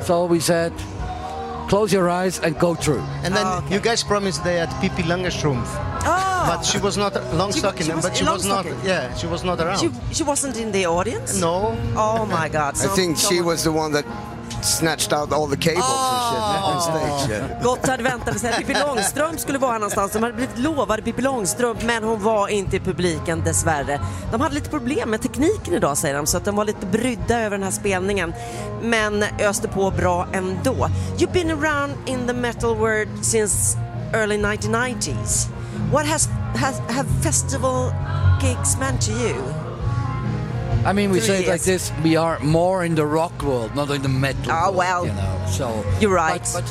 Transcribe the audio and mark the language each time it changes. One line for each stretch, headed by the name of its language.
English: So we said, close your eyes and go through. And then you guys promised they had Pippi Langerstrumpf. But she was not Longstocking. She was not around. She wasn't in the audience? No. Oh my God. So I think she was the one that snatched out all the cables and shit on stage.
Swedish: Gotthard väntade sig att Pippi Långstrump skulle vara någonstans. De hade blivit lovade Pippi Långstrump, men hon var inte i publiken dessvärre. De hade lite problem med tekniken idag, säger de, så att de var lite brydda över den här spelningen, men öste på bra ändå.
English: You've been around in the metal world since early 1990s. What have festival gigs meant to you? I mean, we say it like this, we are more in the rock world, not in the metal world. Oh, well. You know, so. You're right.